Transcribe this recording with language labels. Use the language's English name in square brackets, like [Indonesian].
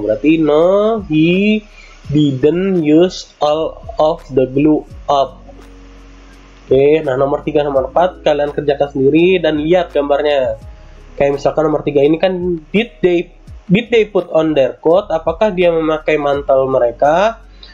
[English] Berarti no, he didn't use all of the glue up. [Indonesian] Oke, nah nomor 3 nomor 4 kalian kerjakan sendiri dan lihat gambarnya. Kayak misalkan nomor 3 ini kan [English] did they put on their coat? [Indonesian] Apakah dia memakai mantel mereka?